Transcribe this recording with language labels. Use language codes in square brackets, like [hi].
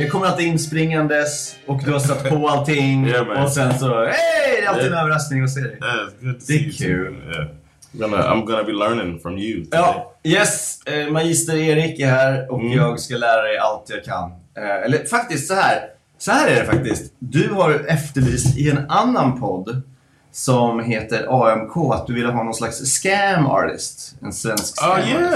[sv] jag kommer alltid inspringandes och du har satt på allting. [en] Yeah, [sv] och sen så, hej, alltid en överraskning att se dig. Det är kul. [en] I'm gonna be learning from you today. [sv] Yes, magister Erik är här och jag ska lära dig allt jag kan. Eller faktiskt så här är det faktiskt. Du har efterlyst i en annan podd som heter AMK att du ville ha någon slags scam artist, en svensk scam artist.